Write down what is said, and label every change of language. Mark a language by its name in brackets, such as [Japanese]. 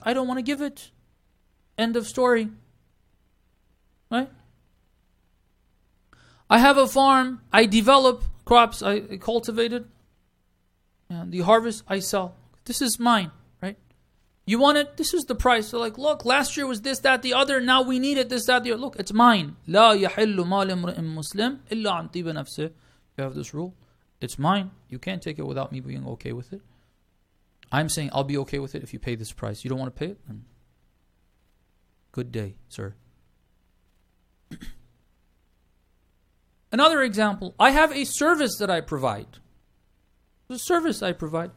[English] I don't want to give it. End of story. Right? I have a farm. I develop crops. I cultivate it. And the harvest I sell. This is mine. You want it? This is the price. So like, look, last year was this, that, the other. Now we need it, this, that, the other. Look, it's mine. [Arabic] لا يحل مال امرئ مسلم إلا عن طيب نفسه. [English] You have this rule. It's mine. You can't take it without me being okay with it. I'm saying I'll be okay with it if you pay this price. You don't want to pay it? Then good day, sir. Another example. I have a service that I provide. The service I provide.